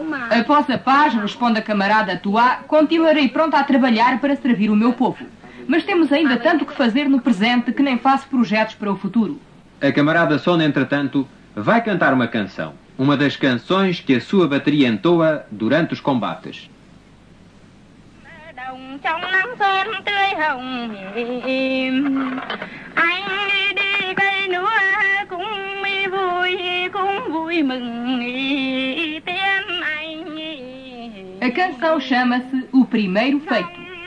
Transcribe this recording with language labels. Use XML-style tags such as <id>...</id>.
<pt>Após a paz, responde a camarada Tuá, continuarei pronta a trabalhar para servir o meu povo. Mas temos ainda tanto que fazer no presente que nem faço projetos para o futuro. A camarada Son, entretanto, vai cantar uma canção. Uma das canções que a sua bateria entoa durante os combates.</pt> <vi>Trong nắng son tươi hồng mềm, anh đi cây lúa cũng vui, cũng vui mừng tiếng anh.</vi> <pt>A canção chama-se O Primeiro Feito.</pt>